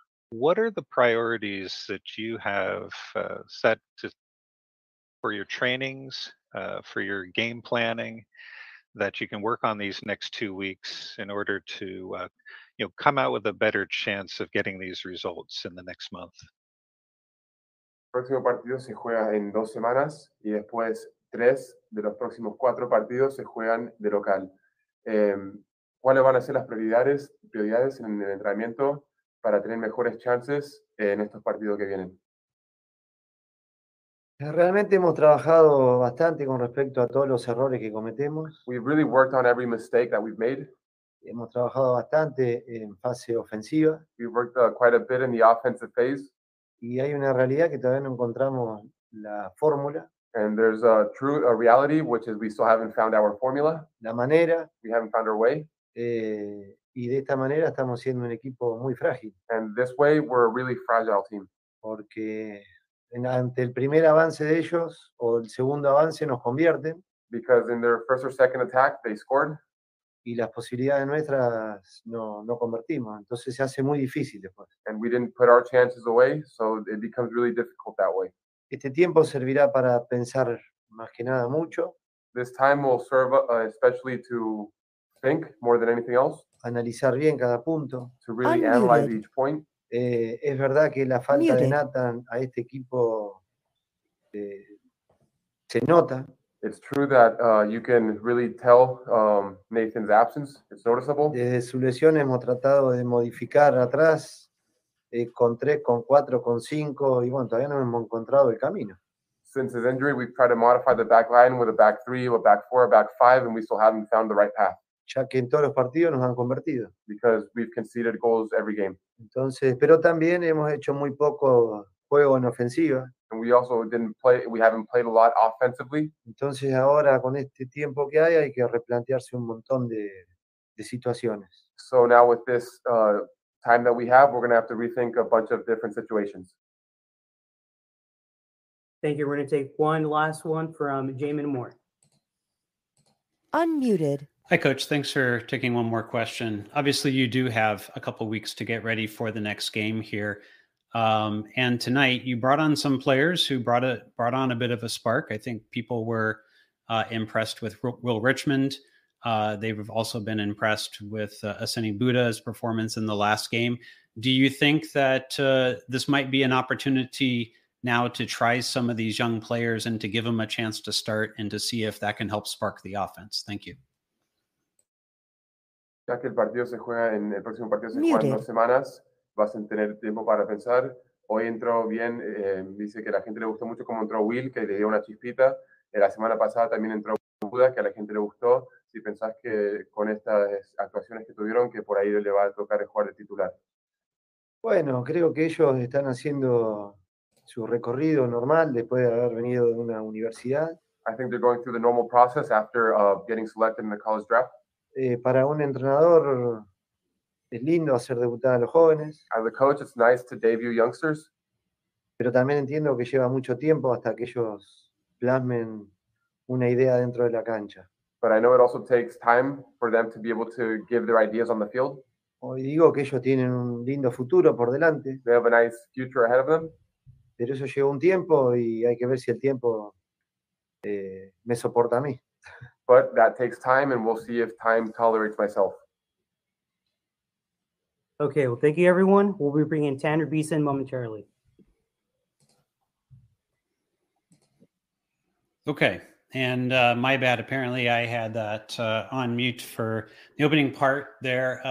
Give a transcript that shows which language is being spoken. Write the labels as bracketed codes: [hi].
[en] What are the priorities that you have set to, for your trainings, for your game planning, that you can work on these next 2 weeks in order to come out with a better chance of getting these results in the next month? [es] Próximo partido se juega en dos semanas y después tres de los próximos cuatro partidos se juegan de local. ¿Cuáles van a ser las prioridades en el entrenamiento para tener mejores chances en estos partidos que vienen? Realmente hemos trabajado bastante con respecto a todos los errores que cometemos. [en] We've really worked on every mistake that we've made. [es] Hemos trabajado bastante en fase ofensiva. [en] We've worked quite a bit in the offensive phase. [es] Y hay una realidad que todavía no encontramos la fórmula. [en] And there's a reality, which is we still haven't found our formula. [es] La manera. [en] We haven't found our way. [es] Y de esta manera estamos siendo un equipo muy frágil. [en] And this way, we're a really fragile team. [es] Porque ante el primer avance de ellos, o el segundo avance, nos convierten. [en] Because in their first or second attack, they scored. [es] Y las posibilidades nuestras no convertimos. Entonces se hace muy difícil después. [en] And we didn't put our chances away, so it becomes really difficult that way. [es] Este tiempo servirá para pensar más que nada mucho. [en] This time will serve especially to think more than anything else. [es] Analizar bien cada punto. [en] To really analyze each point. [es] Es verdad que la falta de Nathan a este equipo se nota. [en] It's true that you can really tell Nathan's absence. It's noticeable. [es] Desde su lesión hemos tratado de modificar atrás con tres, con cuatro, con cinco, y bueno, todavía no hemos encontrado el camino. [en] Since his injury, we've tried to modify the back line with a back three, a back four, a back five, and we still haven't found the right path. [es] Ya que en todos los partidos nos han convertido. [en] Because we've conceded goals every game. [es] Entonces, pero también hemos hecho muy poco juego en ofensiva. [en] And we also haven't played a lot offensively. [es] Entonces ahora con este tiempo que hay que replantearse un montón de situaciones. [en] So now with this time that we have, we're going to have to rethink a bunch of different situations. Thank you. We're going to take one last one from Jamon Moore. Unmuted. Hi, Coach. Thanks for taking one more question. Obviously, you do have a couple weeks to get ready for the next game here. And tonight, you brought on some players who brought on a bit of a spark. I think people were impressed with Will Richmond. They've also been impressed with Asani Buddha's performance in the last game. Do you think that this might be an opportunity now to try some of these young players and to give them a chance to start and to see if that can help spark the offense? Thank you. [es] Ya que el partido se juega en el próximo partido se juega en dos semanas, vas a tener tiempo para pensar. Hoy entró bien, dice que a la gente le gustó mucho cómo entró Will, que le dio una chispita. La semana pasada también entró Buda, que a la gente le gustó. Si pensás que con estas actuaciones que tuvieron, que por ahí le va a tocar jugar de titular. Bueno, creo que ellos están haciendo su recorrido normal después de haber venido de una universidad. [en] I think they're going through the normal process after getting selected in the college draft. [es] Para un entrenador es lindo hacer debutar a los jóvenes. [en] As a coach, it's nice to debut youngsters. [es] Pero también entiendo que lleva mucho tiempo hasta que ellos plasmen una idea dentro de la cancha. [en] But I know it also takes time for them to be able to give their ideas on the field. [es] Hoy digo que ellos tienen un lindo futuro por delante. [en] They have a nice future ahead of them. [es] Pero eso lleva un tiempo y hay que ver si el tiempo me soporta a mí. [en] But that takes time, and we'll see if time tolerates myself. Okay, well, thank you, everyone. We'll be bringing Tanner Beeson momentarily. Okay, and my bad. Apparently, I had that on mute for the opening part there.